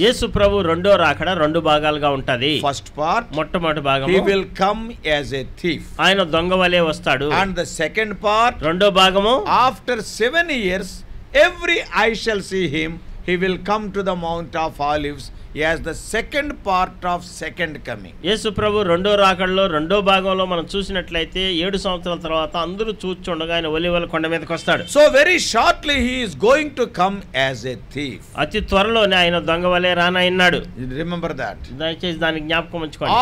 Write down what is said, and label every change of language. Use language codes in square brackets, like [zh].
[te] యేసు ప్రభు రెండో రాకడ రెండు భాగాలుగా ఉంటది. [en] first part [te] మొట్టమొదటి భాగం, [en] he will come as a thief, [te] ఆయన దొంగ వలే వస్తాడు. [en] and the second part [te] రెండో భాగము, [en] After 7 years every I shall see him, he will come to the Mount of Olives. Yes, the second part of second coming. [te] యేసు ప్రభు రెండో రాకడలు రెండో భాగంలో మనం చూసినట్లయితే 7 సంవత్సరాల తర్వాత అందరూ చూచుండగా ఆయన ఒలివల కొండ మీదకి వస్తాడు. [en] So very shortly he is going to come as a thief. [te] అతి త్వరలోనే ఆయన దొంగ వలే రానన్నాడు. [en] remember that, [te] దయచేసి దాన్ని జ్ఞాపకం ఉంచుకోండి.